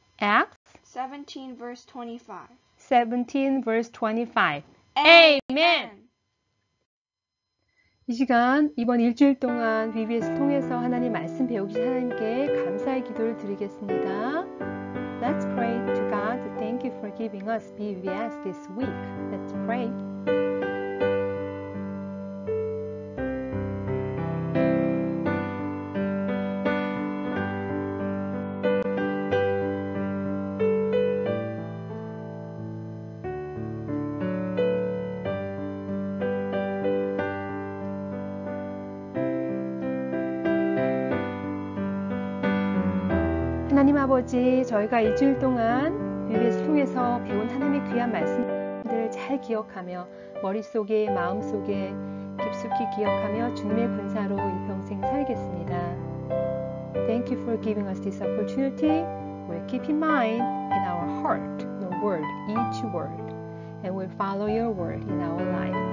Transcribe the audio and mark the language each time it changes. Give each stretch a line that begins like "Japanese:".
English: Acts 17 verse 25.
Korean: Amen. 이 시간 이번 일주일 동안 VBS 통해서 하나님 말씀 배우기 하나님께 감사의 기도를 드리겠습니다.
English: Let's pray to God. Thank you for giving us VBS this week. Let's pray.
Korean: 아버지, 저희가 일주일 동안 VBS를 통해서 배운 하나님의 귀한 말씀들을 잘 기억하며 머릿속에, 마음속에 깊숙이 기억하며 주님의 군사로 일평생 살겠습니다.
English: Thank you for giving us this opportunity. We'll keep in mind in our heart, your word, each word. And we'll follow your word in our life.